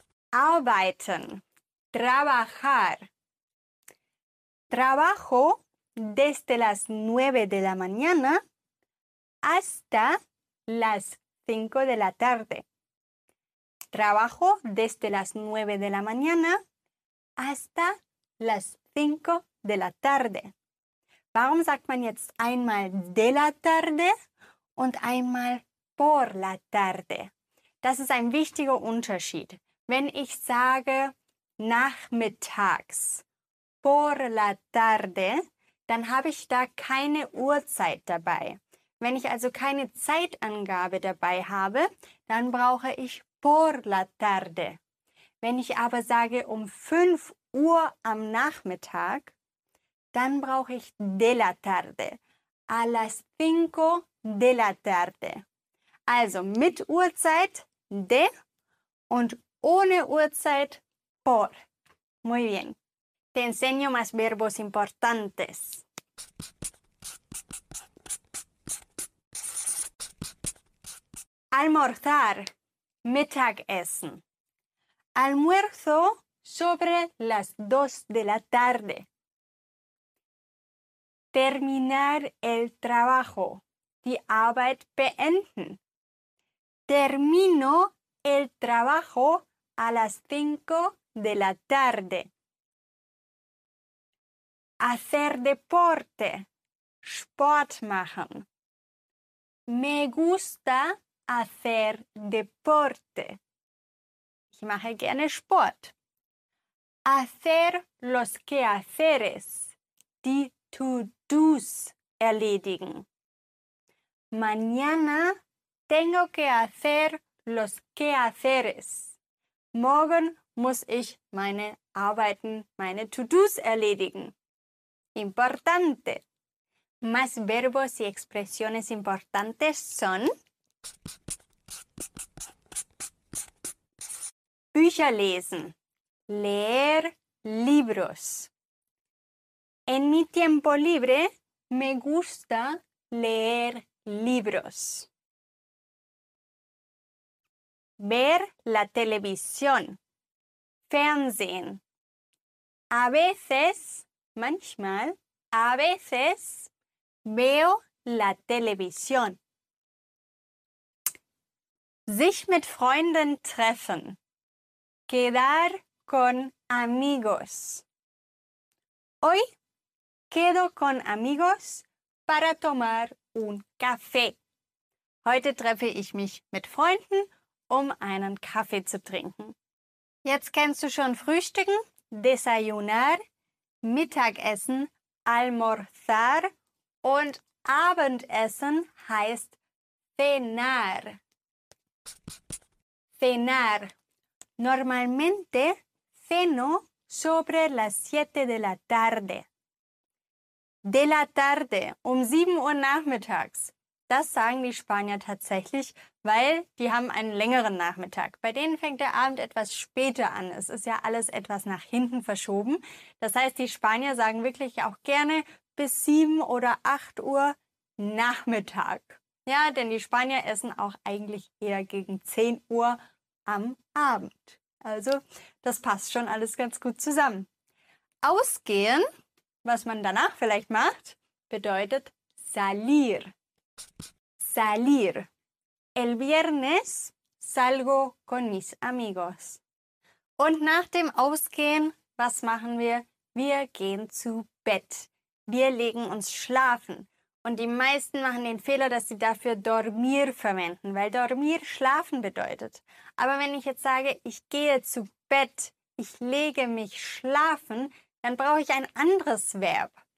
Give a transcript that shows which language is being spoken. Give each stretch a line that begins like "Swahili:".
Spanish: Arbeiten, trabajar. Trabajo desde las 9 de la mañana hasta las 5 de la tarde. Trabajo desde las 9 de la mañana hasta las 5 de la tarde.
German: Warum sagt man jetzt einmal
Spanish: de la tarde
German: und einmal
Spanish: por la tarde?
German: Das ist ein wichtiger Unterschied. Wenn ich sage nachmittags,
Spanish: por la tarde,
German: dann habe ich da keine Uhrzeit dabei. Wenn ich also keine Zeitangabe dabei habe, dann brauche ich
Spanish: por la tarde.
German: Wenn ich aber sage um 5 Uhr am Nachmittag, dann brauche ich
Spanish: de la tarde. A las 5 de la tarde.
German: Also mit Uhrzeit de und ohne Uhrzeit por.
Spanish: Muy bien. Te enseño más verbos importantes. Almorzar, Mittagessen. Almuerzo sobre las 2 de la tarde. Terminar el trabajo,
German: die Arbeit beenden.
Spanish: Termino el trabajo a las 5 de la tarde. Hacer deporte,
German: Sport machen.
Spanish: Me gusta hacer deporte.
German: Ich mache gerne Sport.
Spanish: Hacer los quehaceres.
German: Die To-Dos erledigen.
Spanish: Mañana tengo que hacer los quehaceres.
German: Morgen muss ich meine Arbeiten, meine To-Dos erledigen.
Spanish: Importante. Más verbos y expresiones importantes son
German: Bücher lesen.
Spanish: Leer libros. En mi tiempo libre, me gusta leer libros. Ver la televisión. Fernsehen. A veces, manchmal, a veces, veo la televisión.
German: Sich mit Freunden treffen.
Spanish: Quedar con amigos. Hoy quedo con amigos para tomar un café.
German: Heute treffe ich mich mit Freunden, um einen Kaffee zu trinken. Jetzt kennst du schon Frühstücken, Desayunar, Mittagessen, Almorzar und Abendessen heißt Cenar.
Spanish: Cenar. Normalmente ceno sobre las 7 de la tarde. De la tarde,
German: um 7 Uhr nachmittags. Das sagen die Spanier tatsächlich, weil die haben einen längeren Nachmittag. Bei denen fängt der Abend etwas später an. Es ist ja alles etwas nach hinten verschoben. Das heißt, die Spanier sagen wirklich auch gerne bis 7 oder 8 Uhr Nachmittag. Ja, denn die Spanier essen auch eigentlich eher gegen 10 Uhr am Abend. Also, das passt schon alles ganz gut zusammen. Ausgehen, was man danach vielleicht macht, bedeutet salir.
Spanish: Salir. El viernes salgo con mis amigos.
German: Und nach dem Ausgehen, was machen wir? Wir gehen zu Bett. Wir legen uns schlafen. Und die meisten machen den Fehler, dass sie dafür dormir verwenden, weil dormir schlafen bedeutet. Aber wenn ich jetzt sage, ich gehe zu Bett, ich lege mich schlafen, dann brauche ich ein anderes Verb.